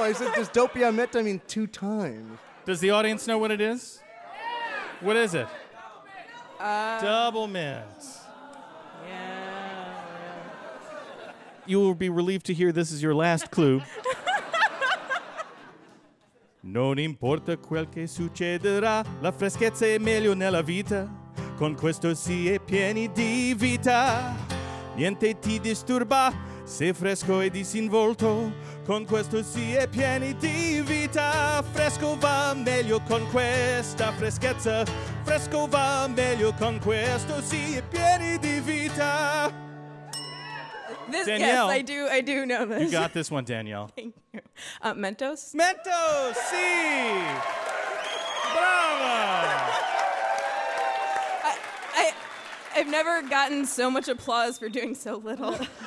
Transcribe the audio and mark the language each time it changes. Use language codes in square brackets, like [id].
[en] I said, does [it] dopia meta [en] mean two times? Does the audience know what it is? What is it? Double mint. Yeah. You will be relieved to hear this is your last clue. [it] Non importa quel che succederà, la freschezza è meglio nella vita. Con questo si è pieni di vita. Niente ti disturba se fresco e disinvolto. Con questo si è pieni di vita. Fresco va meglio con questa freschezza. Fresco va meglio con questo si è pieni di vita. [en] This, Danielle, yes, I do know this. You got this one, Danielle. Thank you. Mentos? [it] Mentos, si! Brava! [en] I've never gotten so much applause for doing so little.